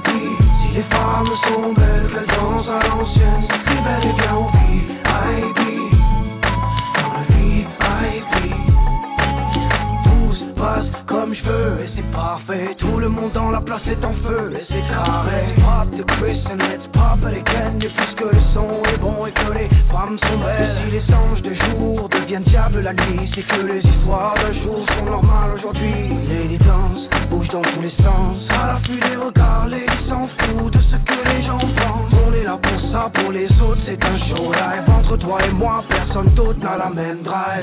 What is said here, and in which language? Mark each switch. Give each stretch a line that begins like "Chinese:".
French: VIP, si les femmes sont belles qu'elles dansent à l'ancienne, c'est plus belle et bien au VIP. Dans le VIP, tout se passe comme je veux et c'est parfait. Tout le monde dans la place est en feu et c'est carré.
English: Let's pop the Chris and let's pop it again.
French: Et puisque le son est bon et que les femmes sont belles, et si les anges de jour deviennent diables la nuit, c'est que les histoires d'un jour sont normales aujourd'hui.
English: Lady dance,
French: bouge dans tous les sens. À l'affût des regards, lady s'en fout de ce que les gens pensent. On est là pour ça, pour les autres c'est un show live. Entre toi et moi, personne d'autre n'a la même drive.